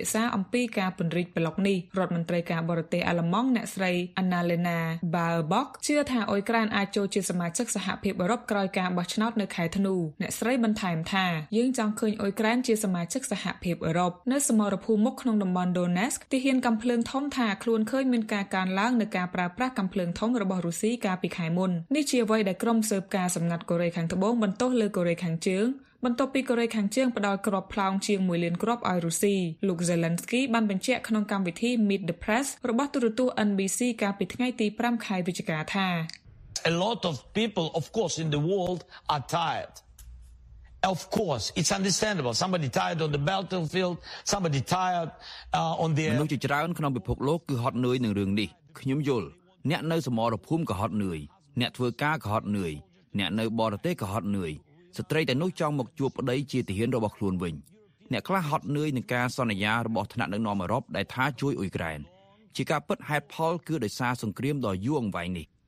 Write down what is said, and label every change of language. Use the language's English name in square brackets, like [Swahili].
[Khmer] ក្សាអំពីការពង្រីកប្លុកនេះរដ្ឋមន្ត្រីការបរទេសអាល្លឺម៉ង់អ្នកស្រីអាណាលេណាបាលបុកជឿថាអ៊ុយក្រែនអាចចូលជាសមាជិកសហភាពអឺរ៉ុបក្រោយការបោះឆ្នោតនៅខែធ្នូអ្នកស្រីបន្ថែមថាយើងចង់ឃើញអ៊ុយក្រែនជាសមាជិកសហភាពអឺរ៉ុបនៅសមរភូមិមុខក្នុងតំបន់ដូណេស្កទីហ៊ានកំភ្លើងធំថាខ្លួនឃើញមានការកើនឡើងនៃការប្រើប្រាស់កំភ្លើងធំរបស់រុស្ស៊ីកាលពីខែមុននេះជាអ្វីដែលក្រុមស៊ើបការណ៍សម្ងាត់កូរ៉េខាងត្បូងបន្ទោសលើកូរ៉េខាងជើង បន្ទាប់ពីកូរ៉េខាងជើងផ្ដល់គ្រាប់ផ្លោងជាង1លានគ្រាប់ឲ្យរុស្ស៊ីលោក Zelensky បានបញ្ជាក់ក្នុងកម្មវិធី Meet the Press របស់ទូរទស្សន៍ NBC កាលពីថ្ងៃទី5ខែវិច្ឆិកាថា [English] A lot of people of course in the world are tired. Of course, it's understandable. Somebody tired on the battlefield, somebody tired on the [Khmer] មនុស្សជាច្រើនក្នុងពិភពលោកគឺហត់នឿយនឹងរឿងនេះខ្ញុំយល់អ្នកនៅសមរភូមិក៏ហត់នឿយអ្នកធ្វើការក៏ហត់នឿយអ្នកនៅបរទេសក៏ហត់នឿយស្ត្រីតែនោះចង់មកជួបប្តីជាទាហានរបស់ខ្លួនវិញអ្នកខ្លះហត់នឿយនឹងការសន្យារបស់ថ្នាក់ដឹកនាំអឺរ៉ុបដែលថាជួយអ៊ុយក្រែនជាការពិតហេតុផលគឺដោយសារសង្គ្រាមដ៏យូរអង្វែងនេះ